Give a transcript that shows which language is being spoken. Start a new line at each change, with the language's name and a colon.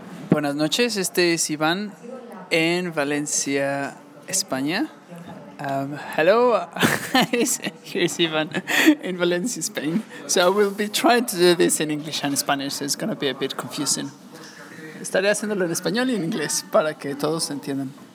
Spanish: Buenas noches, este es Iván en Valencia, España.
English: Hello, here's Ivan in Valencia, Spain. So we'll be trying to do this in English and Spanish, so it's going to be a bit confusing.
Spanish: Estaré haciéndolo en español y en inglés para que todos entiendan.